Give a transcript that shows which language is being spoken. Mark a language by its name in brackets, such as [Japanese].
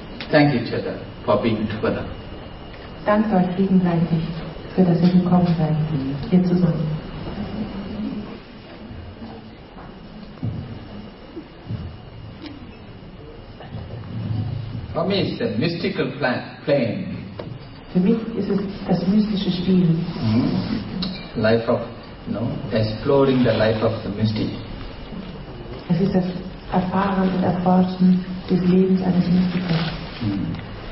[English] Thank each other for being together. [German] Danke euch gegenseitig für das ihr gekommen seid hier zusammen. [English] For me, it's a mystical plane. [German] Für mich ist es das mystische Spiel. [English] Life of, you know, exploring the life of the mystic. [German] Es ist das Erfahren und Erforschen des Lebens eines Mystikers.